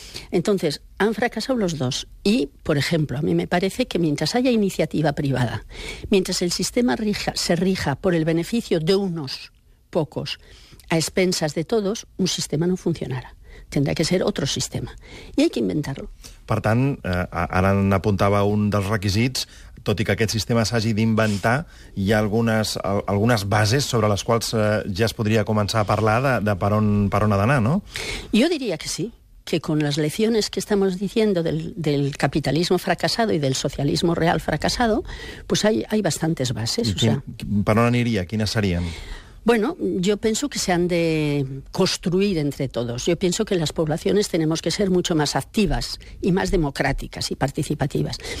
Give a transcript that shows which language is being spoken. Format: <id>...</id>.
<es>Entonces, han fracasado los dos. Y, por ejemplo, a mí me parece que mientras haya iniciativa privada, mientras el sistema se rija por el beneficio de unos pocos a expensas de todos, un sistema no funcionará. Tendrá que ser otro sistema. Y hay que inventarlo.</es> <ca>Per tant, ara apuntava un dels requisits. tot i que aquest sistema s'hagi d'inventar, hi ha algunes bases sobre les quals ja es podria començar a parlar de per on ha d'anar, no? Jo diria que sí,</ca> <es>que con las lecciones que estamos diciendo del capitalismo fracasado y del socialismo real fracasado, pues hay bastantes bases. ¿Para dónde iría? ¿Quiénes serían? Bueno, yo pienso que se han de construir entre todos. Yo pienso que las poblaciones tenemos que ser mucho más activas y más democráticas y participativas.</es>